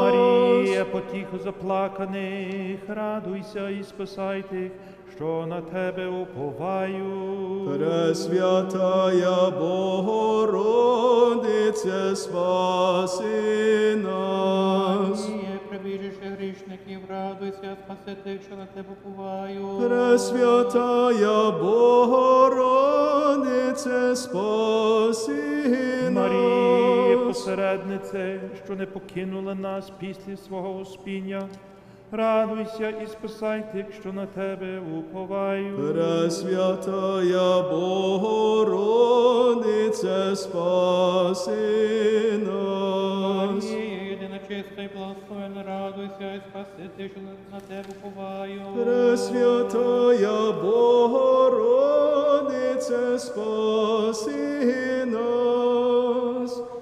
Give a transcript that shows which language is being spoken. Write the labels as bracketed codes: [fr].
[uk] Maria, потихо заплаканих, радуйся и спасайте, що на тебе уповаю. [cu] Пресвятая Богородице, спаси нас. [uk] Маріє, прибіжище грішників, радуйся, спаси тих, що на тебе уповаю. [cu] Пресвятая Богородице, спаси нас. [uk] Маріє, посереднице, що не покинула нас після свого успіння, радуйся і спасай тих, що на тебе уповаю. [cu] Пресвятая Богородице, спаси нас. [uk] Маріє, єдина чиста і благословена, радуйся і спаси тих, що на тебе уповаю. [cu] Пресвятая Богородице, спаси нас.